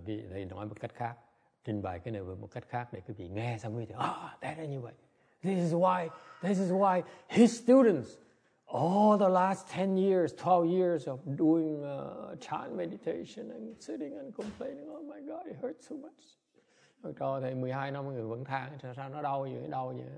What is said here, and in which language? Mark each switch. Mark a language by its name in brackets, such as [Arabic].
[Vietnamese] Thầy nói một cách khác, trình bày cái này một cách khác để quý vị nghe xong rồi thì [English] that is [Vietnamese] như vậy. [English] This is why his students all the last 10 years, 12 years of doing chan meditation and sitting and complaining, oh my god, it hurts so much. [Vietnamese] Rồi cho thầy 12 năm người vẫn than sao nó đau vậy, đau vậy.